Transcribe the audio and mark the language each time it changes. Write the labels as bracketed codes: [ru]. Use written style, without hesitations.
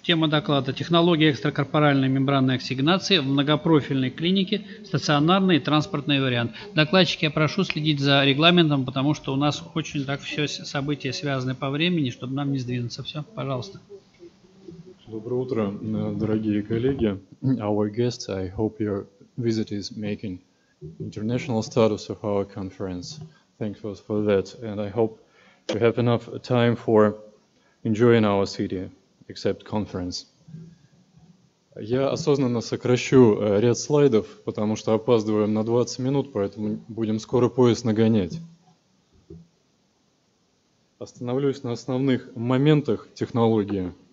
[ru] Тема доклада – технология экстракорпоральной мембранной оксигенации в многопрофильной клинике, стационарный и транспортный вариант. Докладчики, я прошу следить за регламентом, потому что у нас очень так все события связаны по времени, чтобы нам не сдвинуться. Все, пожалуйста. Доброе утро, дорогие коллеги. [en] Our guests, I hope your visit is making international status of our conference. Thankful for that. And I hope you have enough time for enjoying our city, except conference. [ru] Я осознанно сокращу ряд слайдов, потому что опаздываем на 20 минут, поэтому будем скоро поезд нагонять. Остановлюсь на основных моментах технологии.